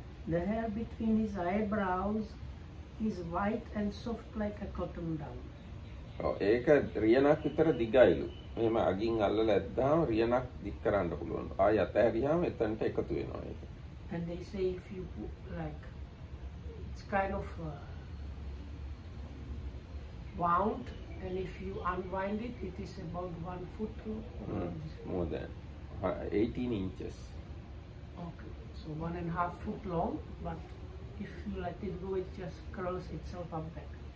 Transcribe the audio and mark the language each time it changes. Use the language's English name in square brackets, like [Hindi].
[English] The hair between his eyebrows is white and soft like a cotton down. [Sinhala] ඒක රියනක් විතර දිගයිලු. මෙහෙම අගින් අල්ලලා ඇද්දාම රියනක් දික් කරන්න පුළුවන්. ආයි අතහැරියාම එතනට එකතු වෙනවා ඒක. [English] And they say if you like it's kind of wound. And if you unwind it, it is about 1 foot to More than 18 inches. Okay, so 1.5 foot long, but if you let it go, it just curls itself up back.